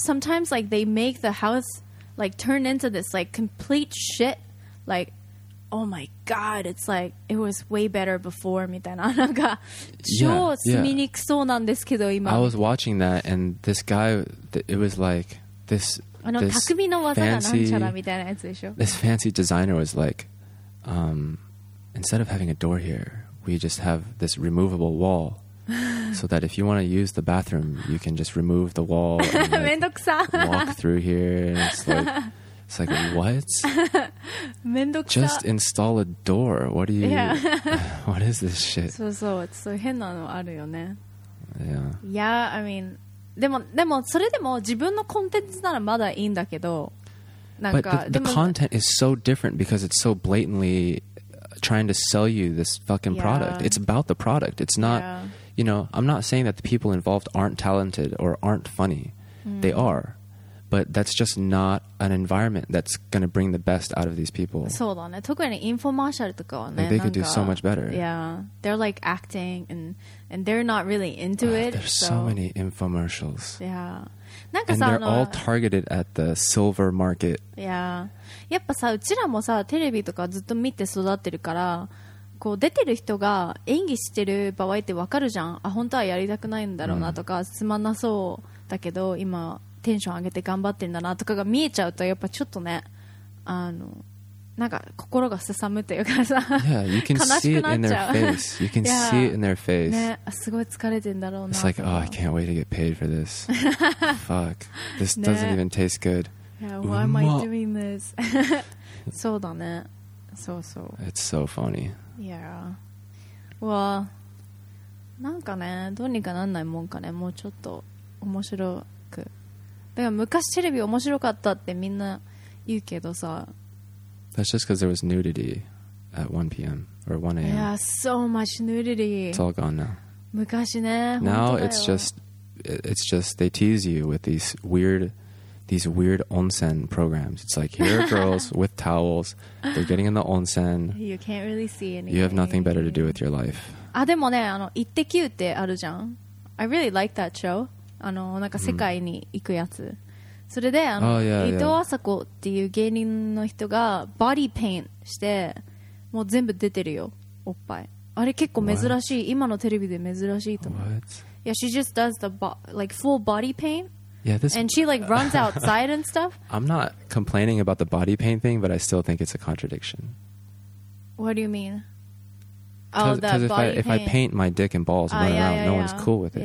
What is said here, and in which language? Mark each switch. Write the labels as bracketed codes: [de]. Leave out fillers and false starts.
[en] Sometimes like they make the house like turn into this like complete shit like,Oh my god, it's like it was way better before [ja] みたいな。なんか超住みにくそうなんですけど今。 [en] I was watching that and this guy, it was like this, [ja] this 匠の技がなんちゃらみたいなやつでしょ。 [en] This fancy designer was like, instead of having a door here, we just have this removable wall. So that if you want to use the bathroom, you can just remove the wall and [ja] めんどくさ。 [en] walk through here. And it's like,It's like, what? [ja] めんどくさ。 [en] Just install a door. What are you... Yeah. What is this shit? [ja] そうそう。そう変なのあるよね。 [en] Yeah. Yeah, I mean... [ja] でもそれでも自分のコンテンツならまだいいんだけど。なんか [en] But the content is so different because it's so blatantly trying to sell you this fucking product. Yeah. It's about the product. It's not... Yeah. You know, I'm not saying that the people involved aren't talented or aren't funny. They are. But that's just not an environment that's going to bring the best out of these people. [ja] そうだね。特にインフォマーシャルとかはね。 [en] Like they could do so much better. Yeah. They're like acting and they're not really into it. There's so many infomercials. Yeah. [ja] なんかさ、 [en] and they're all targeted at the silver market. Yeah. [ja] やっぱさ、うちらもさ、テレビとかずっと見て育ってるから、こう出てる人が演技してる場合ってわかるじゃん。あ、本当はやりたくないんだろうなとか、つまんなそうだけど、今。テンション上げて頑張ってんだなとかが見えちゃうとやっぱちょっとねなんか心がすさむというかさ [en] yeah, you can [ja] 悲しくなっちゃう [en] You can see it in their face、 [ja] ね、すごい疲れてんだろうな [en] It's like, oh, I can't wait to get paid for this Fuck, this doesn't、 even taste good yeah, Why am I doing this? [ja] そうだねそうそう [en] It's so funny Yeah Well, [ja] なんかねどうにかなんないもんかねもうちょっと面白くだから昔テレビ面白かったってみんな言うけどさ [en] That's just because there was nudity at 1 p.m. or 1 a.m. Yeah, so much nudity. It's all gone now. [ja] 昔ね。 [en] Now it's just they tease you with these weird onsen programs. It's like, here are girls with towels. They're getting in the onsen. You can't really see anything. You have nothing better to do with your life. [ja] あ、でもね、あの、イッテQってあるじゃん。 [en] I really like that show. [ja] あの、なんか世界に行くやつ。それで、あの、伊藤麻子っていう芸人の人がバディペイントして、もう全部出てるよ、おっぱい。あれ結構珍しい。今のテレビで珍しいと思う。 [en] What? Yeah, she just does the like full body paint. Yeah, this. And she like runs outside and stuff. I'm not complaining about the body paint thing, but I still think it's a contradiction. What do you mean? Oh, that body paint. If I paint my dick and balls and run around, no one's cool with it.